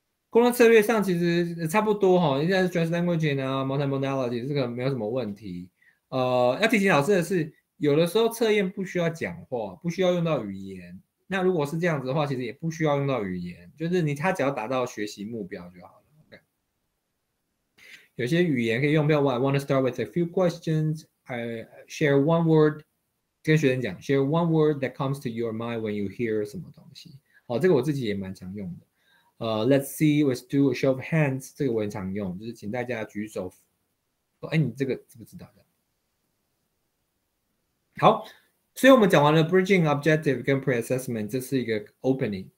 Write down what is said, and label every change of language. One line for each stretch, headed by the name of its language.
Chinese: 沟通策略上其实差不多哈，现在是
English: stress language
Chinese: 啊 ，multimodality 这个没有什么问题。要提醒老师的是，有的时候测验不需要讲话，不需要用到语言。那如果是这样子的话，其实也不需要用到语言，就是你他只要达到学习目标就好了。
English: Okay.
Chinese: 有些语言可以用，比如
English: I want to start with a few questions. I share one word.
Chinese: 跟学生讲
English: ，share one word that comes to your mind when you hear
Chinese: 什么东西。好，这个我自己也蛮常用的。
English: Let's see, let's do a show of hands。
Chinese: 这个我很常用，就是请大家举手。哎，你这个知不知道的？好，所以我们讲完了 bridging objective 跟 pre-assessment， 这是一个 opening。